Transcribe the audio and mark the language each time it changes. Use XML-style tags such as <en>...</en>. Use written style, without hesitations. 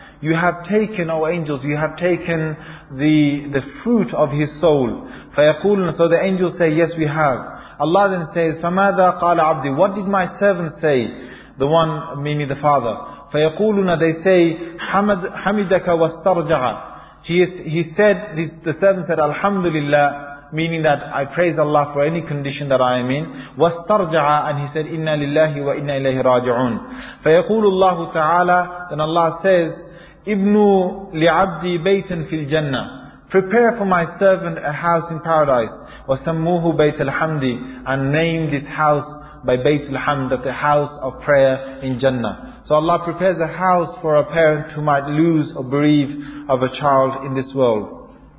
<en>You have taken, O angels, you have taken the fruit of his soul.</en> <ar>فَيَقُولُونَ.</ar> <en>So the angels say, yes, we have. Allah then says,</en> <ar>فَمَاذَا قَالَ عَبْدِي.</ar> <en>What did my servant say? The one, meaning the father.</en> <ar>فَيَقُولُونَ,</ar> <en>they say,</en> <ar>حَمِدَكَ وَاسْتَرْجَعَ.</ar> <en>He said, the servant said, Alhamdulillah, meaning that I praise Allah for any condition that I am in.</en> <ar>وَاسْتَرْجَعَ,</ar> <en>and he said,</en> <ar>إِنَّا لِلَّهِ وَإِنَّا إِلَيْهِ رَاجِعُونَ. فَيَقُولُ اللَّهُ تَعَالَى,</ar> <en>then Allah says,</en> <ar>إِبْنُ لِعَبْدِي بَيْتًا فِي الْجَنَّةِ.</ar> <en>Prepare for my servant a house in paradise.</en> <ar>وَسَمُّهُ بَيْتَ الْحَمْدِ,</ar> <en>and name this house by Bayt al-Hamd, the house of prayer in Jannah. So Allah prepares a house for a parent who might lose or bereave of a child in this world.</en>